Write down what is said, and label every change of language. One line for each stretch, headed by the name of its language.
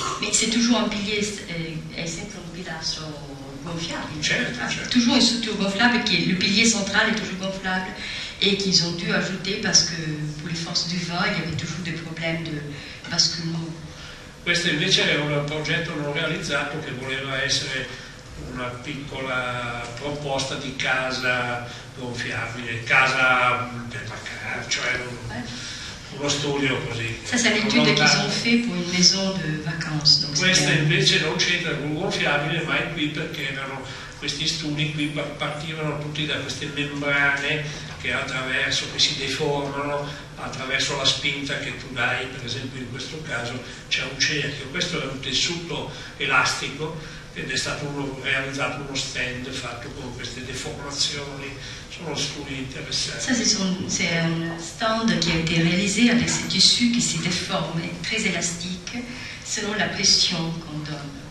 Italian: c'è
French: toujours un pilier,
Italian: è sempre un pilastro gonflable, certo.
French: Toujours une structure gonflable, qui est, le pilier central est toujours gonflable et qu'ils ont dû ajouter parce que pour les forces du vent il y avait toujours des problèmes de basculement.
Italian: Questo invece è un progetto non realizzato che voleva essere una piccola proposta di casa gonfiabile, casa per vacanza, cioè uno studio così.
French: Ça c'est l'étude qu'ils ont fait pour une maison de vacances. Donc,
Italian: questa invece non c'entra con gonfiabile, ma è qui perché erano questi studi qui partivano tutti da queste membrane che attraverso, che si deformano attraverso la spinta che tu dai, per esempio in questo caso c'è un cerchio. Questo è un tessuto elastico ed è stato realizzato uno stand fatto con queste deformazioni.
French: Ça, c'est un stand qui a été réalisé avec ce tissu qui s'est déformé, très élastique, selon la pression qu'on donne.